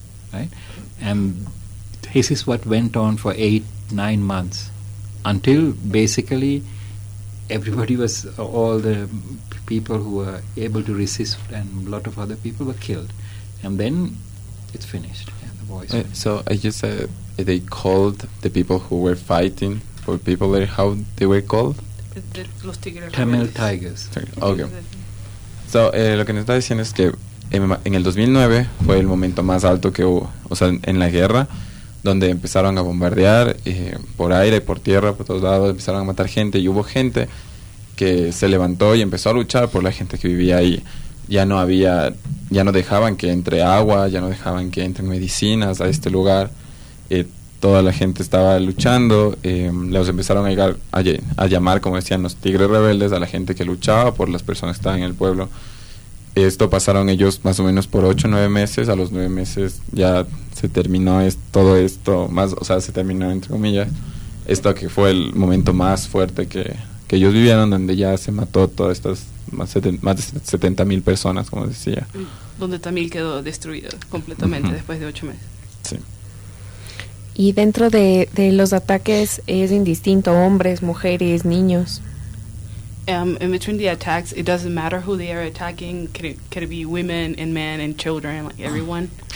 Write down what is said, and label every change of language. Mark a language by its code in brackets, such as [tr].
[en] Right, and this is what went on for 8-9 months, until basically everybody was, all the people who were able to resist and a lot of other people were killed, and then it's finished. Yeah, the voice. So I just said they called the people who were fighting for people. Like how they were called? Tamil Tigers. Okay. [es] So lo que nos está diciendo es que en el 2009 fue el momento más alto que hubo, o sea, en la guerra, donde empezaron a bombardear por aire, por tierra, por todos lados, empezaron a matar gente, y hubo gente que se levantó y empezó a luchar por la gente que vivía ahí. Ya no había, ya no dejaban que entre agua, ya no dejaban que entren medicinas a este lugar. Toda la gente estaba luchando, los empezaron a llamar, como decían, los tigres rebeldes, a la gente que luchaba por las personas que estaban en el pueblo. Esto pasaron ellos más o menos por 8-9 meses. A los 9 meses ya se terminó todo esto, más, o sea, se terminó entre comillas esto que fue el momento más fuerte que ellos vivieron, donde ya se mató todas estas más de 70,000 personas, como decía, donde Tamil quedó destruido completamente. Uh-huh. Después de 8 meses. Sí. Y dentro de los ataques, ¿es indistinto hombres, mujeres, niños? [en] In between the attacks, it doesn't matter who they are attacking. Could it be women and men and children, like everyone?